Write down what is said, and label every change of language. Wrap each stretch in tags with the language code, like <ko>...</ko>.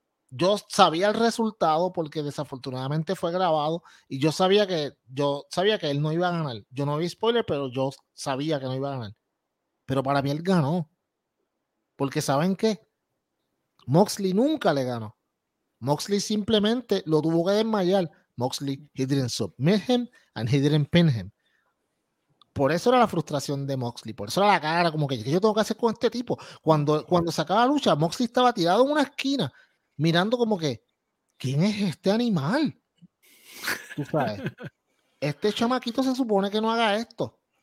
<es>Yo sabía el resultado porque desafortunadamente fue grabado y yo sabía que él no iba a ganar. Yo no vi spoiler, pero yo sabía que no iba a ganar. Pero para mí él ganó. Porque ¿saben qué? Moxley nunca le ganó. Moxley simplemente lo tuvo que desmayar.</es> <en>Moxley, he didn't submit him and he didn't pin him.</en> <es>Por eso era la frustración de Moxley, por eso era la cara, como que yo tengo que hacer con este tipo. Cuando sacaba lucha, Moxley estaba tirado en una esquina, mirando como que, ¿quién es este animal? Tú sabes, este chamaquito se supone que no haga esto.</es>